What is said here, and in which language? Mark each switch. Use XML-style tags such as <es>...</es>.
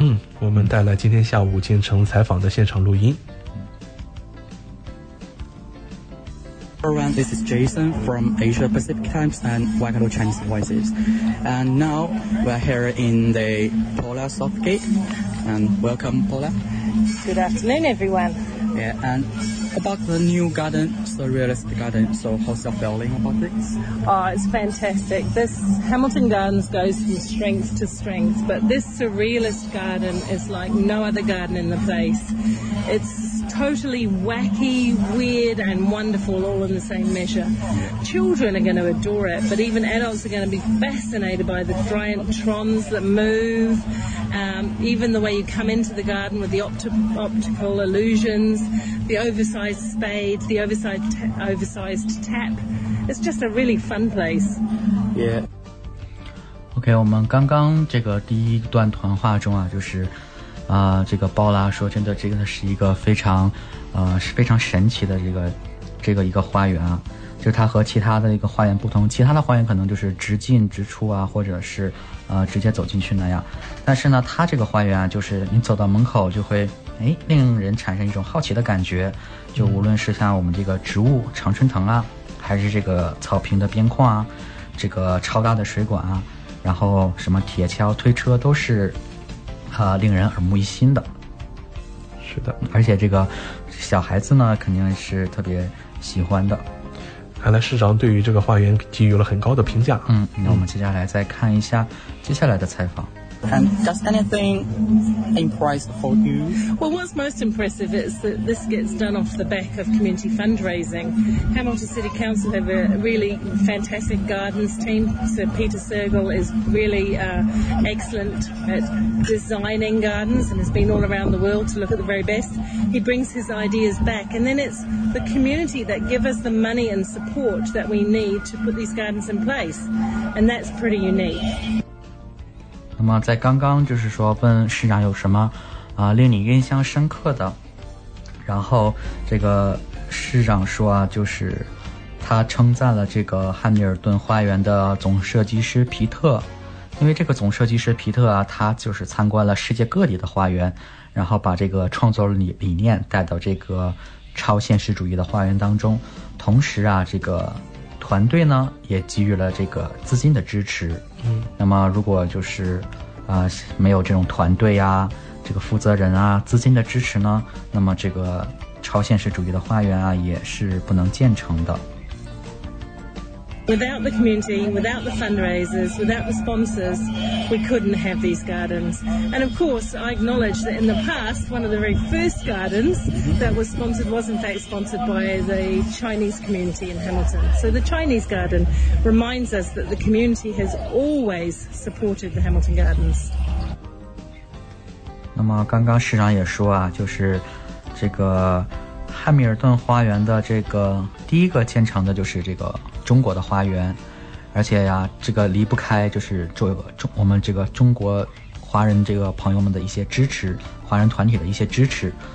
<zh>嗯，我们带来今天下午建成采访的现场录音。</zh> <en>This is Jason from Asia Pacific Times and Waikato Chinese Voices. And now we're here in the Paula Softgate. And welcome, Paula. Good afternoon, everyone. Yeah, and about the new garden, surrealist garden, so how's your feeling about this? Oh, it's fantastic. This Hamilton Gardens goes from strength to strength, but this surrealist garden is like no other garden in the place. It's totally wacky, weird, and wonderful all in the same measure. Children are going to adore it, but even adults are going to be fascinated by the giant trons that move, even the way you come into the garden with the optical illusions, the oversized spades, the oversized tap. It's just a really fun place. Yeah.</en> <zh>OK, 我们刚刚这个第一段谈话中啊，就是这个鲍拉说真的这个是一个非常是非常神奇的这个一个花园啊，就是它和其他的一个花园不同，其他的花园可能就是直进直出啊，或者是直接走进去那样，但是呢它这个花园啊，就是你走到门口就会令人产生一种好奇的感觉，就无论是像我们这个植物常春藤啊，还是这个草坪的边框啊，这个超大的水管啊，然后什么铁锹推车都是令人耳目一新的。是的，而且这个小孩子呢肯定是特别喜欢的。看来市长对于这个花园给予了很高的评价。嗯，那我们接下来再看一下接下来的采访。</zh> <en>And does anything impress for you? Well, what's most impressive is that this gets done off the back of community fundraising. Hamilton City Council have a really fantastic gardens team. Sir Peter Sergal is really excellent at designing gardens and has been all around the world to look at the very best. He brings his ideas back, and then it's the community that give us the money and support that we need to put these gardens in place. And that's pretty unique.</en> <zh>那么在刚刚就是说问市长有什么令你印象深刻的，然后这个市长说啊，就是他称赞了这个汉密尔顿花园的总设计师皮特，因为这个总设计师皮特啊，他就是参观了世界各地的花园，然后把这个创作理念带到这个超现实主义的花园当中，同时啊这个团队呢也给予了这个资金的支持。嗯，那么如果就是没有这种团队呀、这个负责人啊、资金的支持呢，那么这个超现实主义的花园啊也是不能建成的。</zh> <en>Without the community, without the fundraisers, without the sponsors, we couldn't have these gardens. And of course, I acknowledge that in the past, one of the very first gardens that was sponsored was in fact sponsored by the Chinese community in Hamilton. So the Chinese garden reminds us that the community has always supported the Hamilton Gardens.</en> <zh>那么刚刚市长也说啊，就是这个汉密尔顿花园的这个第一个建成的就是这个中国的花园，而且呀，这个离不开就是我们这个中国华人这个朋友们的一些支持，华人团体的一些支持。</zh>